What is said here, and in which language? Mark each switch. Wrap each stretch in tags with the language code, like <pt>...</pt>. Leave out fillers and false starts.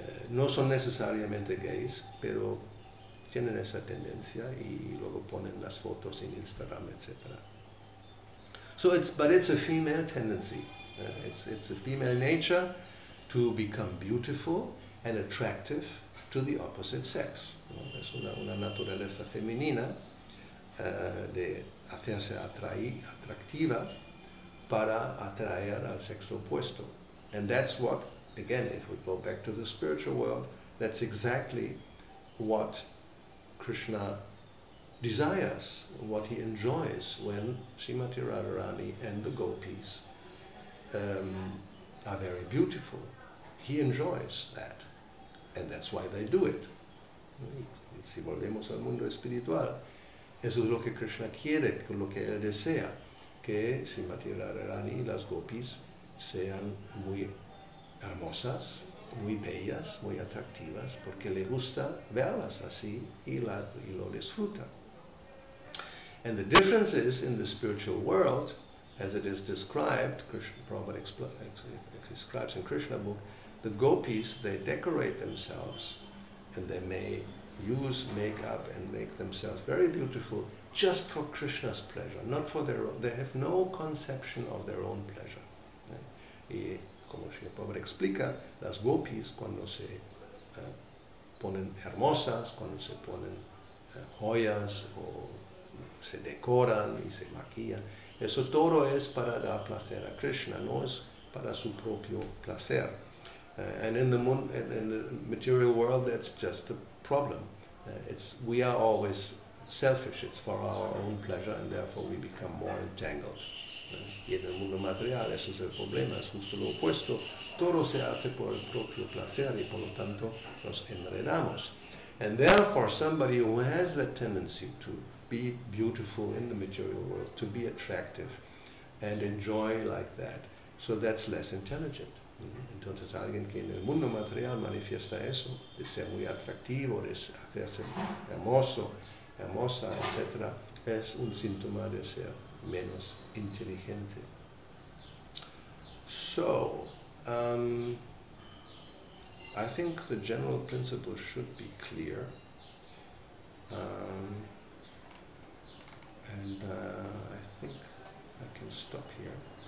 <es>No son necesariamente gays, pero tienen esa tendencia y luego ponen las fotos en Instagram, etc.</es> <en>But it's a female tendency. It's a female nature to become beautiful and attractive to the opposite sex.</en> <es>Es una naturaleza femenina de hacerse atractiva para atraer al sexo opuesto.</es> <en>And that's what, again, if we go back to the spiritual world, that's exactly what Krishna desires, what he enjoys when Srimati Radharani and the gopis are very beautiful. He enjoys that. And that's why they do it.</en> <es>Si volvemos al mundo espiritual, eso es lo que Krishna quiere, lo que él desea, que Srimati Radharani y las gopis sean muy hermosas, muy bellas, muy atractivas, porque le gusta verlas así y lo disfruta.</es> <en>And the difference is, in the spiritual world, as it is described, Krishna Prabhupada describes in Krishna book, the gopis, they decorate themselves and they may use makeup and make themselves very beautiful just for Krishna's pleasure, not for their own. They have no conception of their own pleasure.</en> <es>Y como Srila Prabhupada explica, las gopis cuando se ponen hermosas, cuando se ponen joyas o se decoran y se maquillan. Eso todo es para dar placer a Krishna, no es para su propio placer.</es> <en>And in the material world, that's just a problem. We are always selfish, it's for our own pleasure, and therefore we become more entangled.</en> <es>Y en el mundo material, eso es el problema, es justo lo opuesto. Todo se hace por el propio placer y por lo tanto nos enredamos.</es> <en>And therefore, somebody who has that tendency to be beautiful in the material world, to be attractive and enjoy like that, so that's less intelligent.</en> <es>Entonces, alguien que en el mundo material manifiesta eso, de ser muy atractivo, de hacerse hermoso, hermosa, etc., es un síntoma de ser menos inteligente.</es> <en>So, I think the general principle should be clear. I think I can stop here.</en>